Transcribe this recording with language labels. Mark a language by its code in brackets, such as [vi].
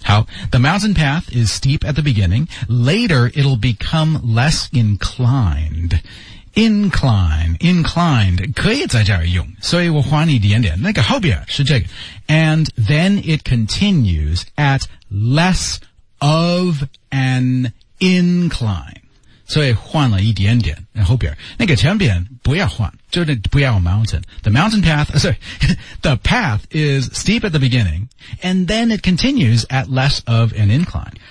[en] 好 ,the mountain path is steep at the beginning, later it'll become less inclined. [zh] Inclined, 可以在这儿用。所以我还你一点点。那个后边是这个。 [en] And then it continues at less of an incline. [zh] 所以换了一点点。后边。那个前边不要换。就是不要 mountain. [en] The mountain path, sorry, the path is steep at the beginning, and then it continues at less of an incline.